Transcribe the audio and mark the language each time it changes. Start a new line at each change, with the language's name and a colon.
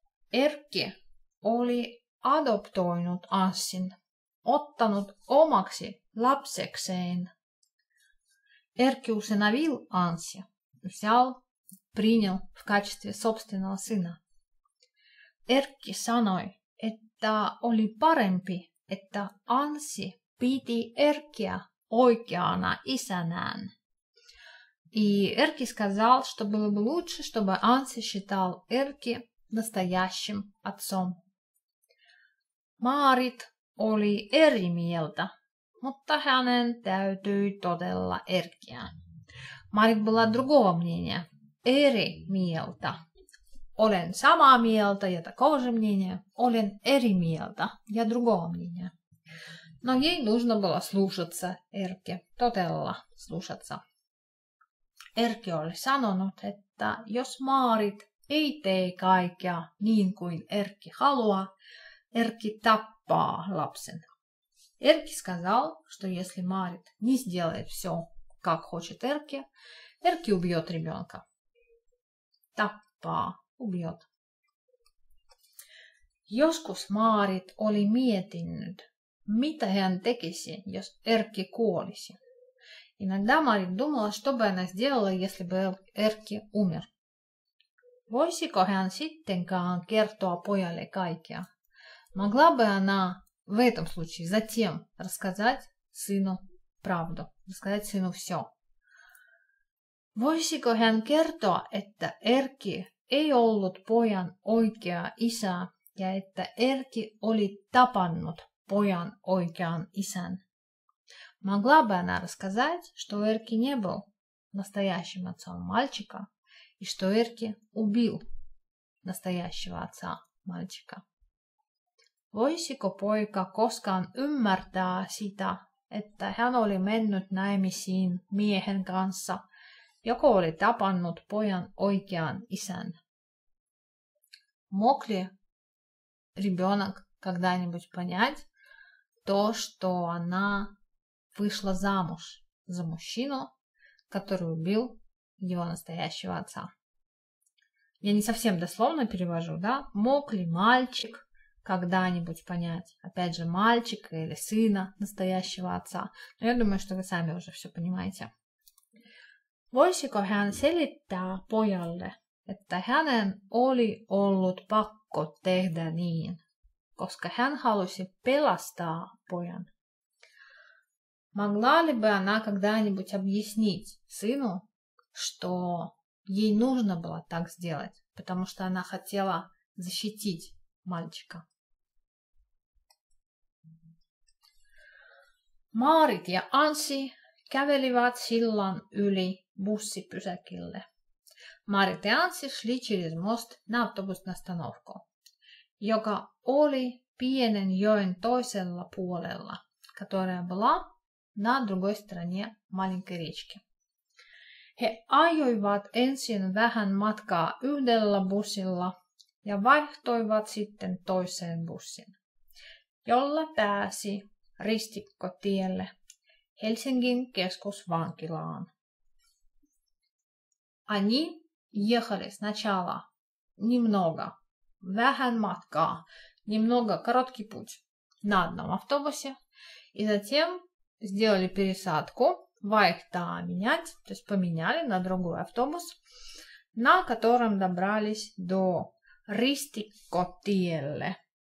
Finnish: Эрки oli adoptoinut Anssin, ottanut omaksi lapsekseen.
Russian: Эрки усыновил Анси, взял, принял в качестве собственного сына.
Finnish: Эрки sanoi, että oli parempi, että Анси piti Эркиä oikeana isänään.
Russian: И Эрки сказал, что было бы лучше, чтобы Анси считал Эрки настоящим отцом.
Finnish: Marit oli eri mieltä, mutta hänen täytyi todella Эркиä.
Russian: Marit была другого мнения.
Finnish: Eri mieltä. Olen samaa mieltä,
Russian: я такого же мнения.
Finnish: Olen eri mieltä,
Russian: я другого мнения. Но ей нужно было слушаться Эрки.
Finnish: Todella
Russian: слушаться.
Finnish: Erkki oli sanonut, että jos Marit ei tee kaikkea niin kuin Erkki haluaa, Erkki tappaa lapsen.
Russian: Erkki сказал, что если Marit не сделает все, как хочет Erkki, Erkki убьет ребенка.
Finnish: Tappaa,
Russian: убьет.
Finnish: Joskus Marit oli miettinyt, mitä hän tekisi, jos Erkki kuolisi.
Russian: Иногда Marit думала, что бы она сделала, если бы Эрки умер.
Finnish: Voisiko hän sittenkään kertoa pojalle kaikkea?
Russian: Могла бы она в этом случае затем рассказать сыну правду, рассказать сыну все.
Finnish: Voisiko hän kertoa, että Эрки ei ollut pojan oikea isä ja että Эрки oli tapannut pojan oikean isän?
Russian: Могла бы она рассказать, что Эрки не был настоящим отцом мальчика и что Эрки убил настоящего отца мальчика.
Finnish: Voisiko poika koskaan ymmärtää sitä, että hän oli mennyt naimisiin miehen kanssa, joko oli tapannut pojan oikean isän?
Russian: Мог ли ребенок когда-нибудь понять то, что она вышла замуж за мужчину, который убил его настоящего отца. Я не совсем дословно перевожу, да? Мог ли мальчик когда-нибудь понять, опять же, мальчика или сына настоящего отца. Но я думаю, что вы сами уже все понимаете.
Finnish: Voisiko hän selittää pojalle, että hänen oli ollut pakko tehdä niin, koska hän halusi pelastaa pojan.
Russian: Могла ли бы она когда-нибудь объяснить сыну, что ей нужно было так сделать, потому что она хотела защитить мальчика?
Finnish: Marit ja Anssi kävelivät sillan yli bussipysäkille.
Russian: Marit ja Anssi шли через мост на автобусную остановку,
Finnish: joka oli pienen joen toisella puolella,
Russian: которая была на другой стороне маленькой речки.
Finnish: He ajoivat ensin vähän matkaa yhdellä bussilla ja vaihtoivat sitten toiseen bussin, jolla pääsi ristikkotielle Helsingin keskusvankilaan.
Russian: Они ехали сначала немного,
Finnish: vähän matkaa,
Russian: немного короткий путь на одном автобусе, и затем сделали пересадку, то есть поменяли на другой автобус, на котором добрались до Ристикотиелле.